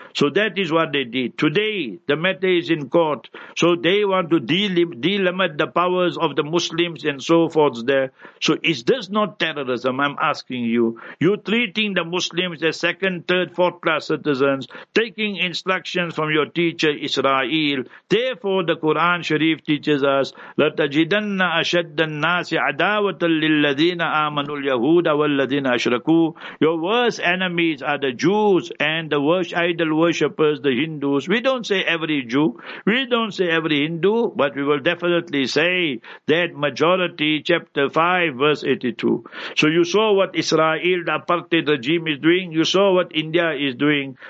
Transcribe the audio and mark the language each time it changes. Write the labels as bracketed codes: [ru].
[en] So that is what they did. Today, the matter is in court. So they want to delimit the powers of the Muslims and so forth there. So is this not terrorism? I'm asking you. You're treating the Muslims as second, third, fourth class citizens, taking instructions from your teacher, Israel. Therefore, the Quran Sharif teaches us, let [ar] تجدن أشد الناس عداوة للذين آمنوا اليهود والذين أشركوا. [en] Your worst enemies are the Jews and the worst idol worshippers, the Hindus. We don't say every Jew, we don't say every Hindu, but we will definitely say that majority, chapter 5, verse 82. So you saw what Israel, the apartheid regime is doing, you saw what India is doing.